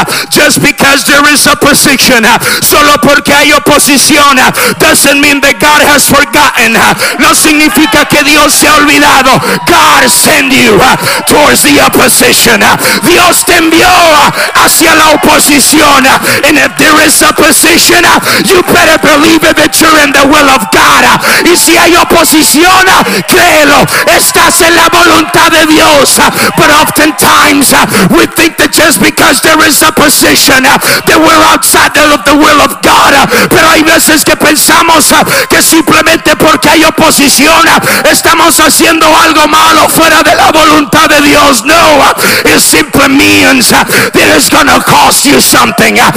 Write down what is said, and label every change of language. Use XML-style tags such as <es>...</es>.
<en>Just because there is opposition,</en> <es>solo porque hay oposición,</es> <en>doesn't mean that God has forgotten.</en> <es>No significa que Dios se ha olvidado.</es> <en>God send you towards the opposition.</en> <es>Dios te envió hacia la oposición.</es> <en>And if there is opposition, you better believe that you're in the will of God.</en> <es>Y si hay oposición, créelo, estás en la voluntad de Dios.</es> <en>But oftentimes, we think that just because there is opposition, that we're outside of the will of God.</en> <es>Pero hay veces que pensamos que simplemente porque hay oposición, estamos haciendo algo malo fuera de la voluntad de Dios.</es> <en>No, it's simple means that it's gonna cost you something.</en>